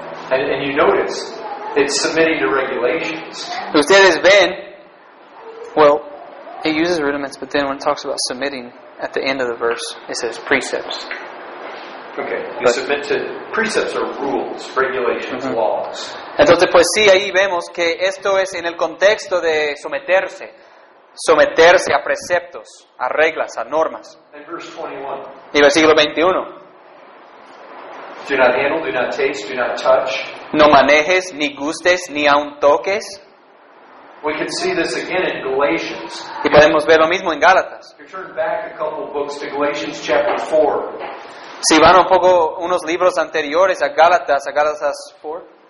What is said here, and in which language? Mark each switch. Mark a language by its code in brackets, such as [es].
[en] And you notice it's submitting to regulations. [es] Ustedes ven, [en] well, it uses rudiments, but then when it talks about submitting at the end of the verse, it says precepts. Okay, you submit to precepts or rules, regulations, laws. [es] Entonces, pues sí, ahí vemos que esto es en el contexto de someterse. Someterse a preceptos, a reglas, a normas. [en] Verse 21. [es] Y versículo 21. [en] Do not handle, do not taste, do not touch. [es] No manejes, ni gustes, ni aun toques. [en] We can see this again in Galatians. [es] Y podemos ver lo mismo en Gálatas. [en] If you turn back a couple books to Galatians chapter 4. [es] Si van un poco unos libros anteriores a Gálatas 4.